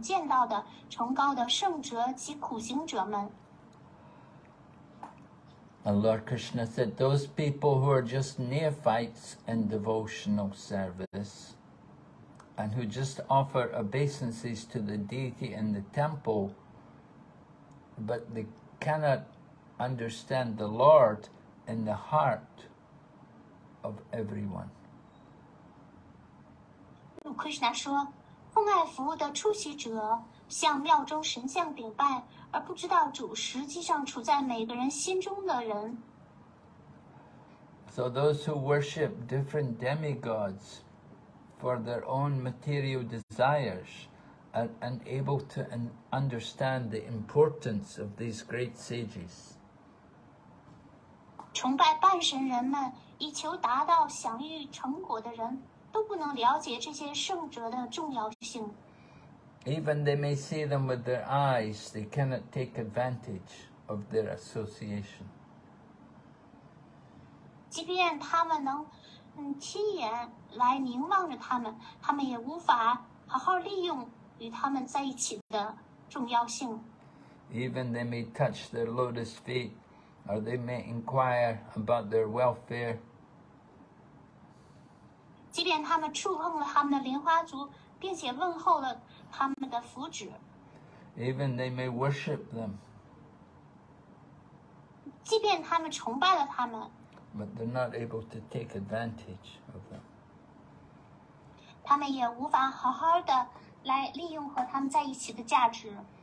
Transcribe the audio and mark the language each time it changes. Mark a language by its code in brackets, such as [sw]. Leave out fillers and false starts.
[zh] 今天我们得见甚至天堂上伟大半神人也想见到的崇高的圣者及苦行者们。 [en] And Lord Krishna said, those people who are just neophytes in devotional service and who just offer obeisances to the deity in the temple, but they cannot understand the Lord in the heart of everyone. So those who worship different demigods for their own material desires are unable to understand the importance of these great sages. [zh] 崇拜半神人们以求达到享誉成果的人都不能了解这些圣者的重要性。 [en] Even they may see them with their eyes, they cannot take advantage of their association. [zh] 即便他们能亲眼来凝望着他们，他们也无法好好利用与他们在一起的重要性。 [en] Even they may touch their lotus feet, or they may inquire about their welfare. [zh] 即便他们触碰了他们的莲花足，并且问候了他们的福祉。 [en] Even they may worship them. [zh] 即便他们崇拜了他们。 [en] But they're not able to take advantage of them. [zh] 他们也无法好好的来利用和他们在一起的价值。